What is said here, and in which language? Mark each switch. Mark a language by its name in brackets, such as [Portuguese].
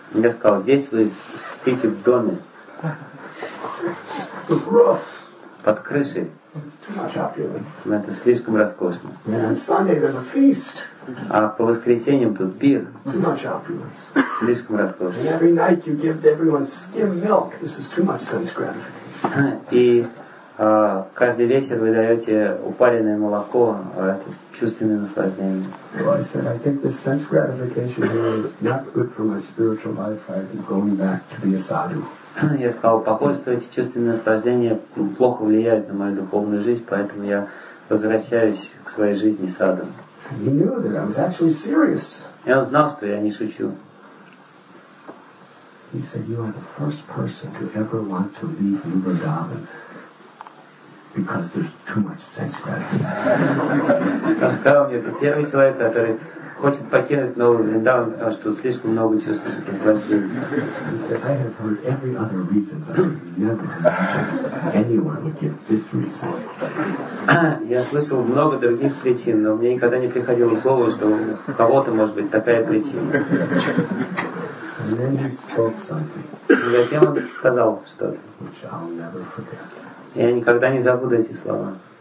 [Russian] Я сказал, здесь вы спите в доме. [English] Roof. [Russian] Под крышей. [English] Too much opulence. [Russian] Это слишком роскошно. [English] And on Sunday there's a feast. [Russian] А по воскресеньям тут пир. [English] Too much opulence. [Russian] Слишком роскошно. [English] And every night you give everyone skim milk. This is too much sense gratification. [Russian] И каждый вечер вы даете упаренное молоко. Это чувственное наслаждение. [English] Well, I said, I think this sense gratification here is not good for my spiritual life. I'm going back to be a sadhu. [Russian] Я сказал, похоже, что эти чувственные наслаждения плохо влияют на мою духовную жизнь, поэтому я возвращаюсь к своей жизни саду. [English] He knew that I was actually serious. [Russian] И он знал, что я не шучу. [English] He said, you are the first person to ever want to leave New Vrindavan. Because there's too much sense gratification. [Russian] Он сказал мне, это первый человек, который хочет покинуть Новый Вриндаван, потому что слишком много чувственных наслаждений. [English] He said, I have heard every other reason, but never anyone would give this reason. [Russian] Я слышал много других причин, но мне никогда не приходило в голову, что у кого-то может быть такая причина. [English] And then he spoke something. [Russian] Затем он сказал что-то. [English] Which I'll never forget. [Russian] Я никогда не забуду эти слова.